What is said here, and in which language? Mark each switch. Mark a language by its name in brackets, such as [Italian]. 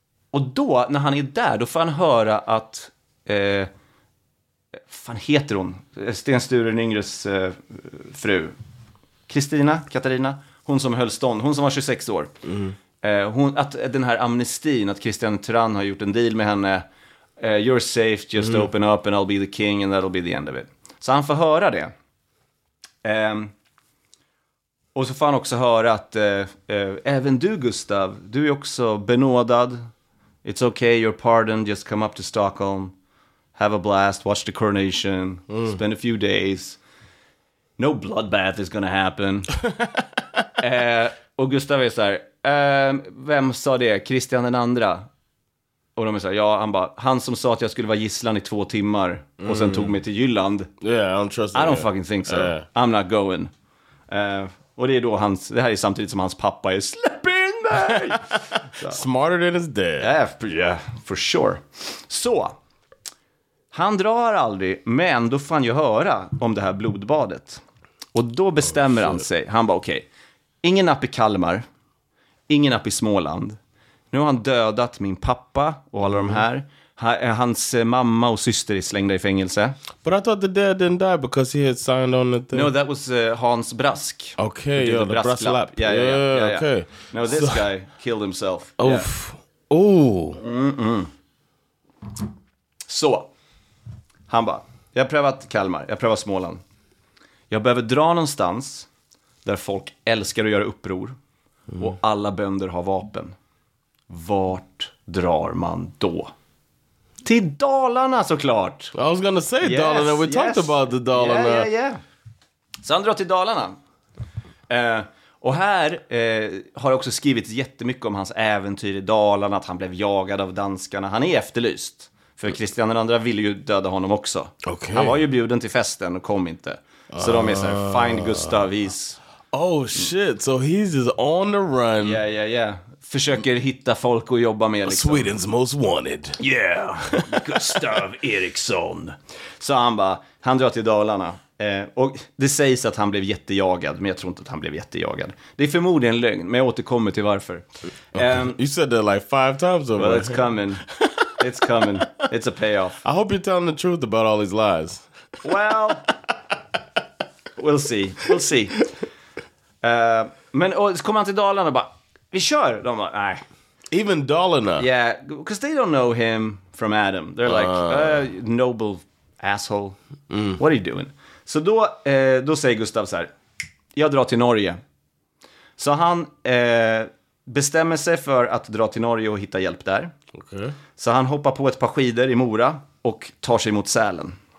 [Swedish] Och då, när han är där, då får han höra att... fan heter hon? Sten Sture Nyngres fru. Kristina, Katarina. Hon som höll stånd. Hon som var 26 år. Hon, att den här amnestin, att Christian Tran har gjort en deal med henne. [English] You're safe, just open up and I'll be the king and that'll be the end of it. [Swedish] Så han får höra det. Och så får han också höra att även du, Gustav, du är också benådad. [English] It's okay, you're pardoned, just come up to Stockholm. Have a blast, watch the coronation, spend a few days. No bloodbath is gonna happen. [Swedish] och Gustav är så här, vem sa det? Christian den andra. Och de är så här, ja, han bara, han som sa att jag skulle vara gisslan i 2 timmar och sen tog mig till Jylland. [English] Yeah, I'm trusting. I don't fucking think so. I'm not going. [Swedish] Och det är då hans, det här är samtidigt som hans pappa är, släpp in mig! [English] Smarter than his dad. Yeah, for sure. [Swedish] Så, han drar aldrig, men då får han ju höra om det här blodbadet. Och då bestämmer han sig. Han bara, okej, ingen app i Kalmar, ingen app i Småland. Nu har han dödat min pappa och alla de här. Hans mamma och syster är slängda i fängelse. [English] But I thought the dad didn't die because he had signed on the thing. No, that was Hans Brask. Okay, yeah, the Brask lap. Yeah, okay. No, this so... guy killed himself. Oof. Yeah. Ooh. [Swedish] Mm-mm. Så. Han bara, jag har prövat Kalmar, jag har prövat Småland. Jag behöver dra någonstans där folk älskar att göra uppror och alla bönder har vapen. Vart drar man då? Till Dalarna såklart! [English] I was gonna say yes, Dalarna, we talked about the Dalarna. Yeah, yeah, yeah. [Swedish] Så han drar till Dalarna. Och här har jag också skrivit jättemycket om hans äventyr i Dalarna, att han blev jagad av danskarna. Han är efterlyst. För Christian den andra ville ju döda honom också. [English] Okay. [Swedish] Han var ju bjuden till festen och kom inte. Så de är så här, [English] find Gustav, he's... Oh shit, so he's just on the run. Yeah, yeah, yeah. [Swedish] Försöker hitta folk att jobba med. Liksom. [English] Sweden's most wanted. Yeah, [Swedish] Gustav Eriksson. Så han bara, han drar till Dalarna. Och det sägs att han blev jättejagad, men jag tror inte att han blev jättejagad. Det är förmodligen lögn, men jag återkommer till varför. [English] Okay. You said that like 5 times over. Well, it's coming. It's coming. It's a payoff. I hope you're telling the truth about all these lies. Well, we'll see. We'll see. [Swedish] Men och så kommer han till Dalarna och bara, vi kör. De bara, nej. [English] Even Dalarna? Yeah, because they don't know him from Adam. They're like, noble asshole. Mm. What are you doing? [Swedish] Så då, då säger Gustav så här, jag drar till Norge. Så han bestämmer sig för att dra till Norge och hitta hjälp där. [English] Okay. [Swedish] Så han hoppar på ett par skidor i Mora och tar sig mot Sälen.